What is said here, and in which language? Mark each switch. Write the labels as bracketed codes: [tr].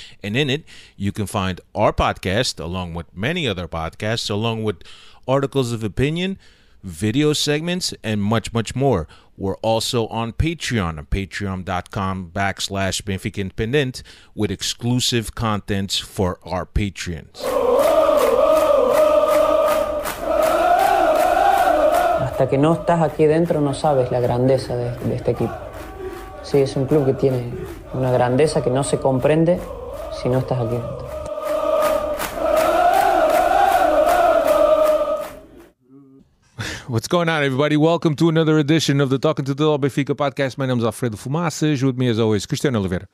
[en] And in it, you can find our podcast along with many other podcasts, along with articles of opinion, video segments, and much, much more. We're also on Patreon, patreon.com/Benfica Independent, with exclusive contents for our patrons. [es] Hasta que no estás aquí dentro no sabes la grandeza de este equipo. Sí, es un club que tiene una grandeza que no se comprende si no estás aquí dentro. [en] What's going on, everybody? Welcome to another edition of the Talking to the Law Benfica podcast. My name is Alfredo Fumaças. With me, as always, Cristiano Oliveira.